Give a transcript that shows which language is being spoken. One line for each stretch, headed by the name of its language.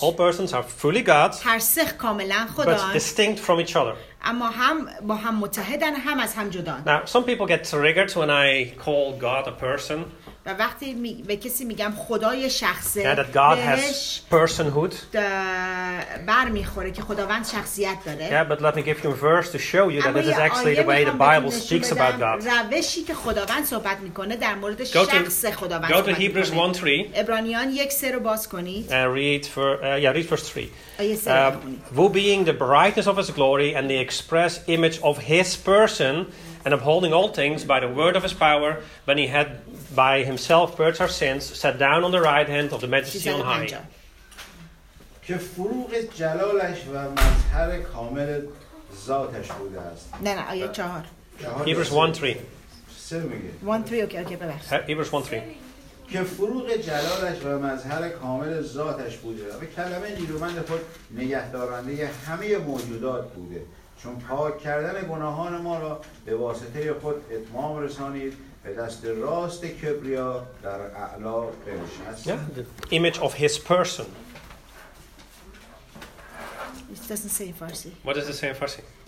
English: All persons are fully God, but distinct from each other.
Persian: اما هم با هم متحدن هم از هم جدا.
English: Now some people get triggered when I call God a person.
Persian: و وقتی به کسی میگم خدای شخصه
English: that God has personhood.
Persian: بر میخوره که خداوند شخصیت داره.
English: Yeah, but let me give you a verse to show you that this is actually the way the Bible speaks about God.
Persian: روشی که خداوند صحبت میکنه در مورد شخص خداوند.
English: Go to Hebrews 1:3.
Persian: عبرانیان 1 سه رو باز کنید.
English: Read verse 3. Who being the brightness of his glory and the express image of his person and upholding all things by the word of his power when he had by himself purged our sins sat down on the right hand of the majesty on high.
Persian: که فروغ جلالش و مظهر کامل ذاتش بوده است. نه آیه 4.
English: Hebrews 1:3. 1:3 okay Hebrews 1:3.
Persian: که فروغ جلالش و مظهر کامل ذاتش بوده و کلمه نیرومند خود نگهدارنده همه موجودات بوده چون پاک کردن گناهان ما را به واسطه خود اتمام رسانید به دست راست کبریا در اعلا بنشست.
English: Yeah, the image of his person. It doesn't say in Farsi. What does it say in Farsi?